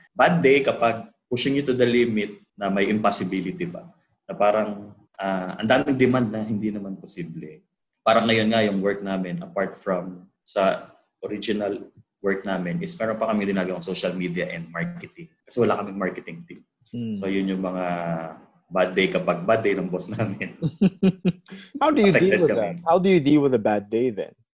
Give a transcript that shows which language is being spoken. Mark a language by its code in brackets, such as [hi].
[tl] Bad day kapag pushing you to the limit na may impossibility ba? Na parang ang daming demand na hindi naman posible. Parang ngayon nga yung work namin, apart from sa original work namin, is meron pa kami dinagawang social media and marketing. Kasi wala kaming marketing team. Hmm. So yun yung mga bad day kapag bad day ng boss namin. [en] How do you deal with a bad day then?